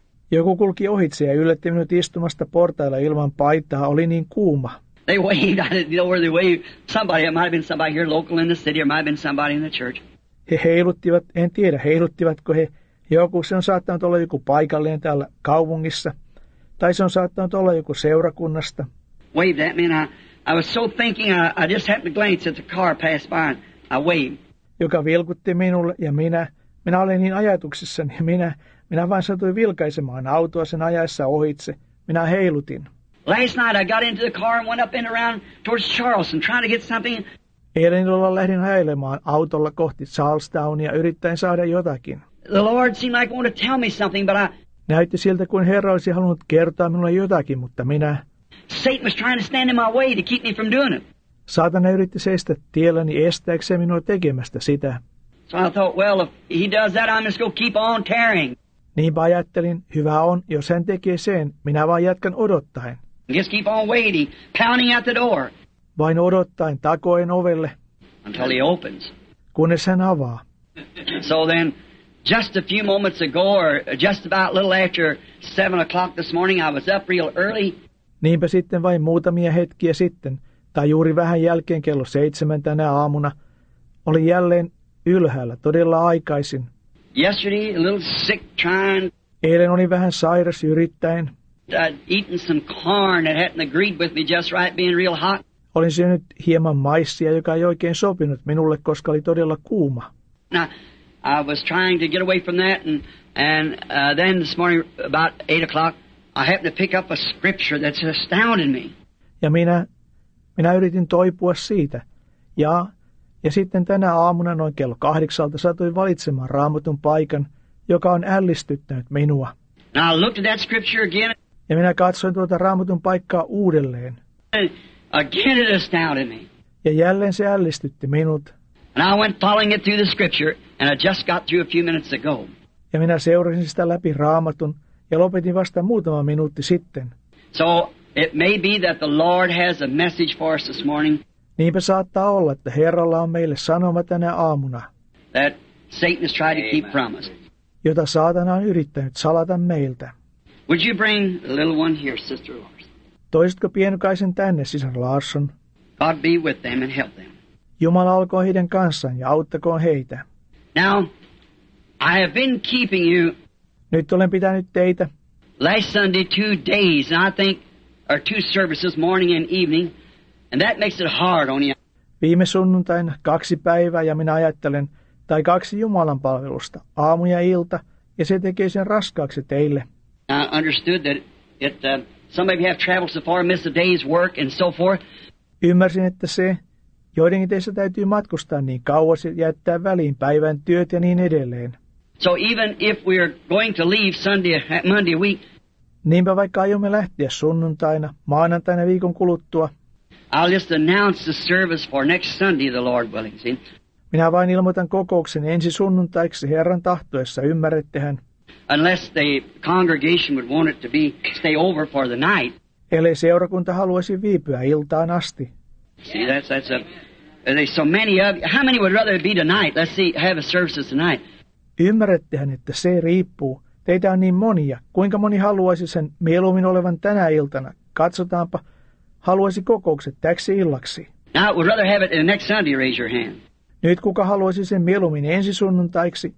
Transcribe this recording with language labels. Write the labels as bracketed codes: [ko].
[fi] Joku kulki ohitse ja yllätti minut istumasta portailla ilman paitaa. Oli niin kuuma. [en] They waved. I didn't know where they waved. Somebody. It might have been somebody here local in the city or might have been somebody in the church. [fi] He heiluttivat. En tiedä, heiluttivatko he. Joku, se on saattanut olla joku paikallinen täällä kaupungissa, tai se on saattanut olla joku seurakunnasta. [en] Waved at me, and I was so thinking, I just happened to glance at the car pass by, and I waved. [fi] Joka vilkutti minulle, ja minä olin niin ajatuksissani, minä vain satuin vilkaisemaan autoa sen ajaessa ohitse. Minä heilutin. [en] Last night I got into the car and went up and around towards Charleston trying to get something. [fi] Eilen illalla lähdin heilemaan autolla kohti Charlestownia yrittäen saada jotakin. [en] The Lord seemed like wanting to tell me something, but I. [fi] Näytti siltä kuin Herra olisi halunnut kertoa minulle jotakin, mutta minä. [en] Satan was trying to stand in my way to keep me from doing it. [fi] Saatana yritti seistä tielläni estääkseen minua tekemästä sitä. [en] So I thought, well, if he does that, I'm just going to keep on tearing. [fi] Niinpä ajattelin, hyvä on, jos hän tekee sen, minä vain jatkan odottaen. [en] Just keep on waiting, pounding at the door. [fi] Vain odottaen, takoen ovelle. [en] Until he opens. [fi] Kunnes hän avaa. [en] So then. Just a few moments ago, or just about a little after 7 o'clock this morning, I was up real early. [fi] Niinpä sitten vain muutamia hetkiä sitten, tai juuri vähän jälkeen kello 7 tänä aamuna, olin jälleen ylhäällä, todella aikaisin. [en] Yesterday, a little sick trying. [fi] Eilen olin vähän sairas yrittäen. [en] I'd eaten some corn that hadn't agreed with me just right, being real hot. [fi] Olin syönyt hieman maissia, joka ei oikein sopinut minulle, koska oli todella kuuma. [en] Now, I was trying to get away from that, and then this morning, about 8 o'clock, I happened to pick up a scripture that's astounded me. [fi] Ja minä yritin toipua siitä, ja sitten tänä aamuna noin kello 8 satuin valitsemaan raamatun paikan, joka on ällistyttänyt minua. [en] Now look to that scripture again. [fi] Ja minä katsoin tuota Raamatun paikkaa uudelleen. [en] Again it astounded me. [fi] Ja jälleen se ällistytti minut. [en] And I went following it through the scripture, and I just got through a few minutes ago. [fi] Ja minä seurasin sitä läpi Raamatun ja lopetin vasta muutama minuutti sitten. [en] So it may be that the Lord has a message for us this morning. [fi] Niinpä saattaa olla, että Herralla on meille sanoma tänä aamuna. [en] That Satan has tried to keep from us. [fi] Jota saatana on yrittänyt salata meiltä. [en] Would you bring the little one here, Sister Larson? [fi] Toisitko pienukaisen tänne, sisar Larson? [en] God be with them and help them. [fi] Jumala olkoon heidän kanssaan ja auttakoon heitä. [en] Now, I have been keeping you. [fi] Nyt olen pitänyt teitä. [en] Last Sunday 2 days, and I think, or 2 services, morning and evening, and that makes it hard on you. [fi] Viime sunnuntain 2 päivää, ja minä ajattelen, tai 2 Jumalan palvelusta, aamu ja ilta, ja se tekee sen raskaaksi teille. [en] I understood that some of you have traveled so far, missed a day's work, and so forth. [fi] Ymmärsin, että se, joidenkin teissä täytyy matkustaa niin kauas, jättää väliin päivän työt ja niin edelleen. [en] So even if we are going to leave Sunday, Monday week. [fi] Niinpä vaikka aiomme lähteä sunnuntaina, maanantaina viikon kuluttua. [en] I'll just announce the service for next Sunday, the Lord willing. See? [fi] Minä vain ilmoitan kokouksen ensi sunnuntaiksi Herran tahtoessa, ymmärrettehän. [en] Unless the congregation would want it to be stay over for the night. [fi] Ellei seurakunta haluaisi viipyä iltaan asti. [en] See, there's so many of you. How many would rather be tonight? Let's see, have a services tonight. [fi] Ymmärrettehän, että se riippuu. Teitä on niin monia. Kuinka moni haluaisi sen mieluummin olevan tänä iltana? Katsotaanpa, haluaisi kokoukset täksi illaksi. [en] Now, we'd rather have it the next Sunday, raise your hand. [fi] Nyt kuka haluaisi sen mieluummin ensi sunnuntaiksi?